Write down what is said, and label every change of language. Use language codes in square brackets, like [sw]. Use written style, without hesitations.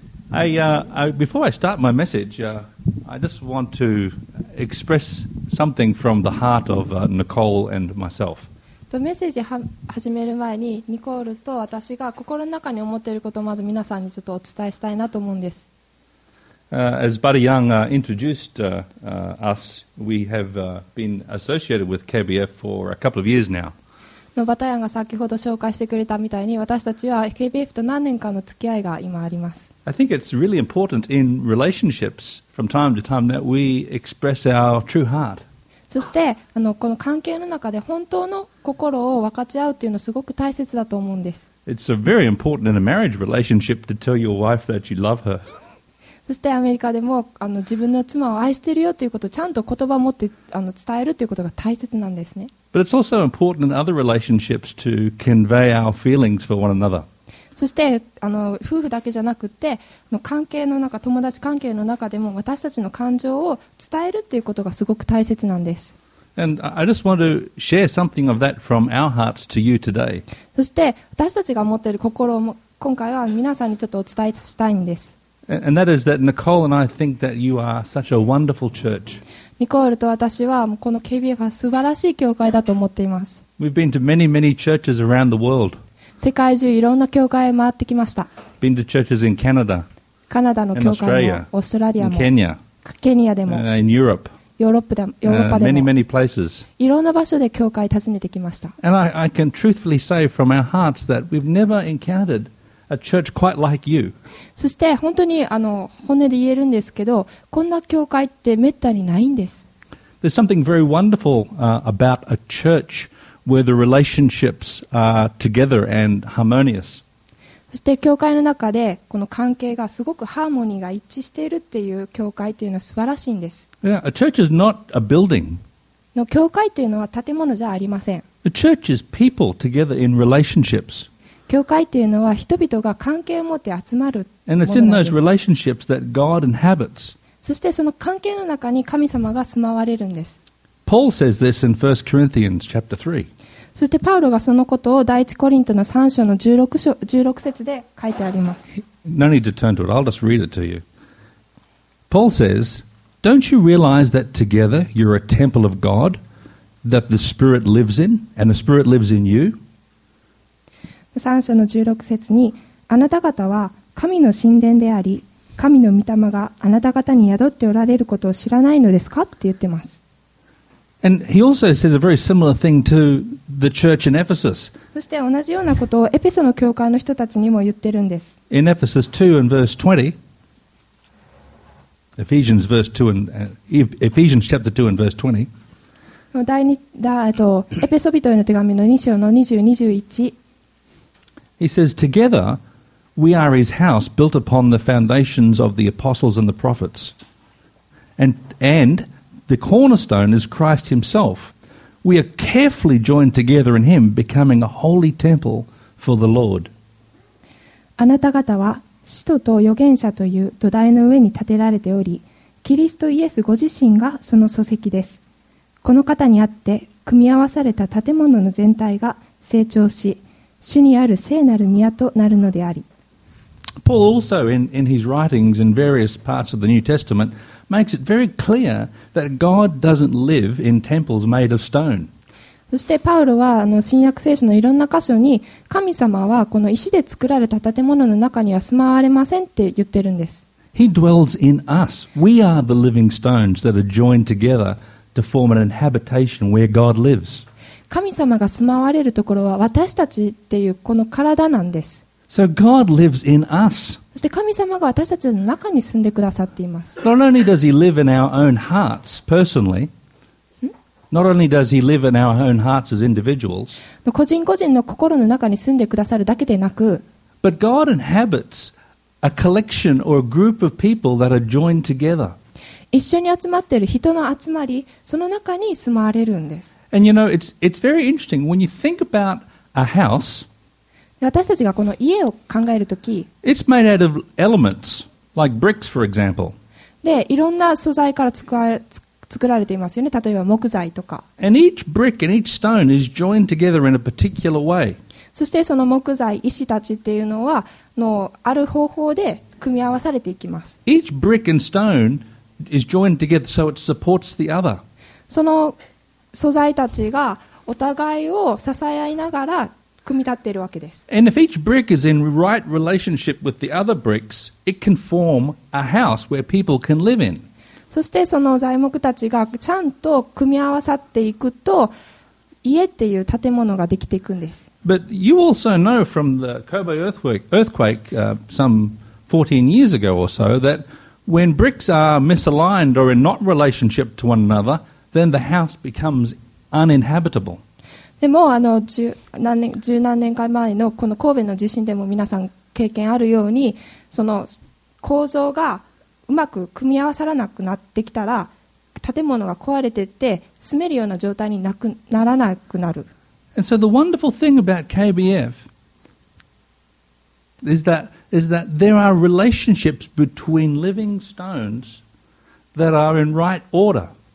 [en] Before I start my message, I just want to express something from the heart of Nicole and myself. [ja] とメッセージ始める前に、ニコールと私が心の中に思っていることをまず皆さんにちょっとお伝えしたいなと思うんです。 [en] As Buddy Young introduced us, we have been associated with KBF for a couple of years now. [ja] のバタヤンが先ほど紹介してくれたみたいに、私たちは KBF と何年間の付き合いが今あります。 [en] I think it's really important in relationships from time to time that we express our true heart. [ja] そしてこの関係の中で本当の心を分かち合うっていうのすごく大切だと思うんです。 [en] It's very important in a marriage relationship to tell your wife that you love her. [ja] そしてアメリカでも自分の妻を愛してるよということをちゃんと言葉を持って伝えるということが大切なんですね。 [en] But it's also important in other relationships to convey our feelings for one another. [ja] そして夫婦だけじゃなくて、関係の中、友達関係の中でも私たちの感情を伝えるっていうことがすごく大切なんです。 [en] And I just want to share something of that from our hearts to you today. [ja] そして私たちが持っている心を今回は皆さんにちょっとお伝えしたいんです。 [en] And that is that Nicole and I think that you are such a wonderful church. [ja] ニコールと私はこの KBF は素晴らしい教会だと思っています。 [en] We've been to many, many churches around the world. [ja] 世界中いろんな教会へ回ってきました。 [en] Been to churches in Canada. [ja] カナダの教会も、オーストラリアも、 [en] Kenya. [ja] ケニアでも、 [en] in Europe. [ja] ヨーロッパでも、 [en] many, many places. [ja] いろんな場所で教会訪ねてきました。 [en] And I can truthfully say from our hearts that we've never encountered a church quite like you. [ja] そして本当に本音で言えるんですけど、こんな教会ってめったにないんです。 [en] There's something very wonderful about a church where the relationships are together and harmonious. [ja] そして教会の中でこの関係がすごくハーモニーが一致しているっていう教会というのは素晴らしいんです。 [en] Yeah, a church is not a building. [ja] の教会というのは建物じゃありません。 [en] A church is people together in relationships. [ja] 教会というのは人々が関係を持って集まるものなんです。 [en] And it's in those relationships that God inhabits. [ja] そしてその関係の中に神様が住まわれるんです。 [en] Paul says this in 1 Corinthians chapter 3. [ja] そしてパウロがそのことを第一コリントの3章の16節で書いてあります。 [en] No need to turn to it. I'll just read it to you. Paul says, Don't you realize that together you're a temple of God that the Spirit lives in and the Spirit lives in you? [ja] 3章の16節に、あなた方は神の神殿であり、神の御霊があなた方に宿っておられることを知らないのですかって言ってます。 [en] And he also says a very similar thing to the church in Ephesus. [ja] そして同じようなことをエペソの教会の人たちにも言ってるんです。 [en] In Ephesus 2 and verse 20, Ephesians verse 2 and Ephesians chapter 2 and verse 20. [ja] 第二エペソ人への手紙の2章の20-21. [en] He says, "Together we are his house, built upon the foundations of the apostles and the prophets." And The cornerstone is Christ himself. We are carefully joined together in him, becoming a holy temple for the Lord. [ja] あなた方は使徒と預言者という土台の上に建てられており、キリストイエスご自身がその礎石です。この方にあって組み合わされた建物の全体が成長し、主にある聖なる宮となるのであり。 [en] Paul also in his writings in various parts of the New Testament makes it very clear that God doesn't live in temples made of stone. [ja] そしてパウロは新約聖書のいろんな箇所に神様はこの石で作られた建物の中には住まわれませんって言ってるんです。 [en] He dwells in us. We are the living stones that are joined together to form an inhabitation where God lives. [ja] 神様が住まわれるところは私たちっていうこの体なんです。 [en] So God lives in us. [ja] そして神様が私たちの中に住んでくださっています。 [en] Not only does he live in our own hearts personally, not only does he live in our own hearts as individuals, [ja] 個人個人の心の中に住んでくださるだけでなく、 [en] but God inhabits a collection or a group of people that are joined together. [ja] 一緒に集まっている人の集まり、その中に住まわれるんです。 [en] And you know, it's very interesting when you think about a house. [ja] 私たちがこの家を考えるとき、 [en] It's made out of elements, like bricks, for example. [ja] で、いろんな素材から作られていますよね。例えば木材とか。 [en] And each brick and each stone is joined together in a particular way. [ja] そしてその木材、石たちっていうのは、ある方法で組み合わされていきます。 [en] Each brick and stone is joined together so it supports the other. [ja] その素材たちがお互いを支え合いながら、組み立っているわけです。 [en] And if each brick is in right relationship with the other bricks, it can form a house where people can live in. [ja] そしてその材木たちがちゃんと組み合わさっていくと、家っていう建物ができていくんです。 [en] But you also know from the Kobe earthquake, some 14 years ago or so, that when bricks are misaligned or in not relationship to one another, then the house becomes uninhabitable. [ja] でも十何年か前のこの神戸の地震でも皆さん経験あるようにその構造がうまく組み合わさらなくなってきたら建物が壊れていって住めるような状態にならなくなる。 [en] And so the wonderful thing about KBF is that there are relationships between living stones that are in right order.